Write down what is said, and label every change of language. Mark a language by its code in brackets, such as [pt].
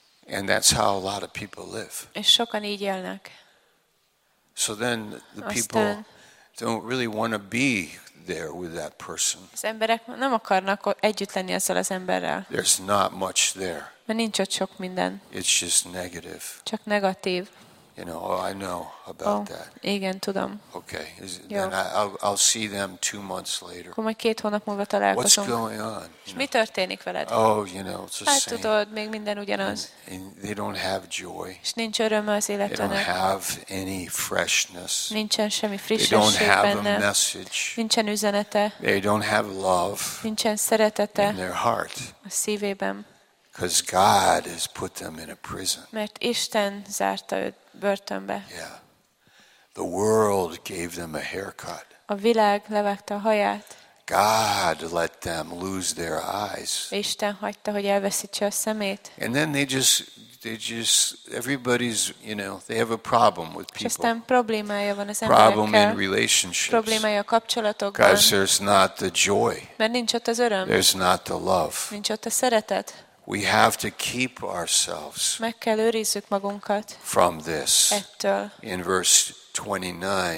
[en] And that's how a lot of people live. [hu] És sokan így élnek. [en] So then the people don't really want to be there with that person. [hu] Az emberek nem akarnak együtt lenni ezzel az emberrel. [en] There's not much there. [hu] Mert nincs ott sok minden. [en] It's just negative. [hu] Csak negatív. [en] You know, oh, I know about that. [hu] Igen, tudom. [en] Okay, then I'll see them 2 months later. [hu] Akkor majd 2 hónap múlva találkozunk. [en] What's going on? [hu] Mi történik veled? [en] Oh, you know, it's the same. [hu] Hát tudod, még minden ugyanaz. [en] And they don't have joy. [hu] És nincs öröme az életben. [en] They don't have any freshness. [hu] Nincsen semmi frissesség benne. [en] They don't have a message. [hu] Nincsen üzenete. [en] They don't have love. [hu] Nincsen szeretete. [en] In their heart. [hu] A szívében. [en] Because God has put them in a prison. [hu] Mert Isten zárta őt börtönbe. [en] Yeah. The world gave them a haircut. [hu] A világ levágta a haját. [en] God let them lose their eyes. [hu] Isten hagyta, hogy elveszítse a szemét. [en] And then they just everybody's, you know, they have a problem with people. [hu] Aztán problémája van az emberekkel. [en] Problem in relationships. [hu] Problémája a kapcsolatokban. [en] Because there's not the joy. [hu] Mert nincs ott az öröm. [en] There's not the love. [hu] Nincs ott a szeretet. [en] We have to keep ourselves. [hu] Meg kell őrizzük magunkat. [en] From this. [hu] Ettől. [en] In verse 29.